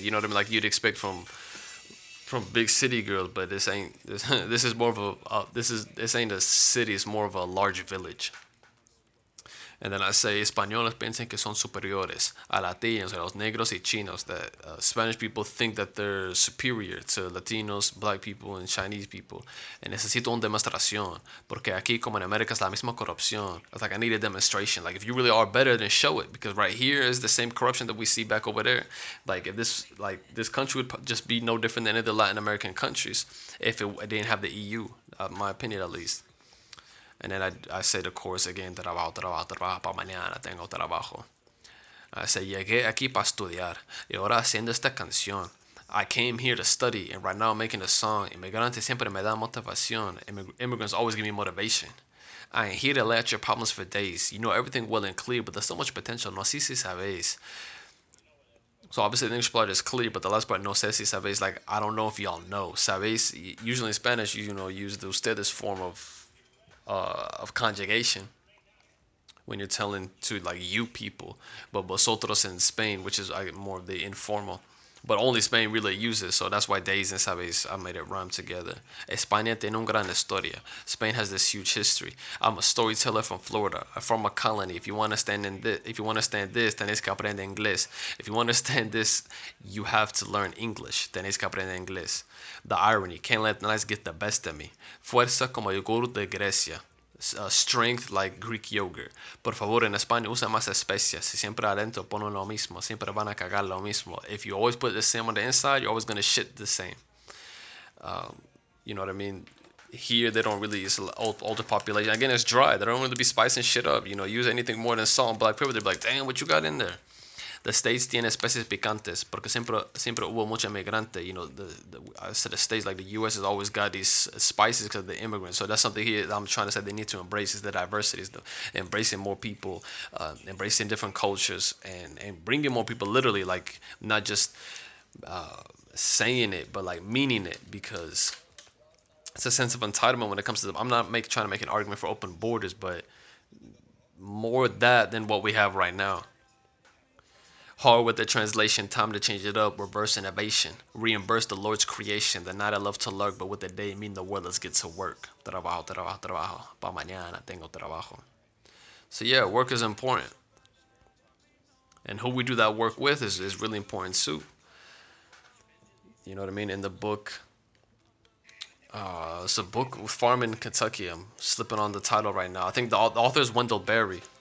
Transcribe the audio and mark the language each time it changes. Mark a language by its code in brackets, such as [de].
[en] You know what I mean? Like you'd expect from big city girls, but this is more of a this ain't a city. It's more of a large village. [es] And then I say, Españoles piensan que son superiores a Latinos, los negros y chinos. [en] That Spanish people think that they're superior to Latinos, Black people, and Chinese people. [es] And necesito una demostración, porque aquí como en América es la misma corrupción. [en] It's like I need a demonstration. Like if you really are better, then show it. Because right here is the same corruption that we see back over there. Like if this country would just be no different than any of the Latin American countries if it didn't have the EU. My opinion, at least. And then I say the chorus again, trabajo, trabajo, trabajo, pa mañana tengo trabajo. [es] I say, llegué aquí pa estudiar, y ahora haciendo esta canción. [en] I came here to study, and right now I'm making a song. [es] Inmigrantes siempre me dan motivación. [en] Immigrants always give me motivation. I ain't here to lay out your problems for days. You know everything well and clear, but there's so much potential. No sé si sabéis. So obviously the English part is clear, but the last part, no sé si sabéis, like, I don't know if y'all know. Sabéis, usually in Spanish, use the ustedes form of conjugation when you're telling to like you people, but vosotros in Spain, which is like more of the informal, but only Spain really uses. So that's why days and sabes I made it rhyme together. [es] España tiene un gran historia. [en] Spain has this huge history. I'm a storyteller from Florida. I'm from a colony. If you want to stand in this, if you want to stand this, tenés que aprender inglés. If you want to stand this, you have to learn English. [es] Tenés que aprender inglés. [en] The irony, can't let the nice get the best of me. [es] Fuerza como yogur de Grecia. [en] Strength like Greek yogurt. [es] Por favor, en España usa más especias. Si siempre adentro ponen lo mismo, siempre van a cagar lo mismo. [en] If you always put the same on the inside, you're always gonna shit the same. You know what I mean? Here they don't really use older population. Again, it's dry. They don't really be spicing shit up. You know, use anything more than salt and black pepper. They're like, damn, what you got in there? [es] The States tiene especies picantes, porque siempre hubo mucho emigrante. [en] You know, I said the States, like the US has always got these spices because of the immigrants. So that's something here that I'm trying to say they need to embrace is the diversity, is embracing more people, embracing different cultures, and bringing more people literally, like not just saying it, but like meaning it, because it's a sense of entitlement when it comes to them. I'm not trying to make an argument for open borders, but more that than what we have right now. Hard with the translation, time to change it up, reverse innovation. Reimburse the Lord's creation, the night I love to lurk, but with the day, mean the world, let's get to work. [es] Trabajo, trabajo, trabajo. Pa' mañana tengo trabajo. [en] So yeah, work is important. And who we do that work with is really important too. You know what I mean? In the book, it's a book, Farm in Kentucky. I'm slipping on the title right now. I think the author is Wendell Berry.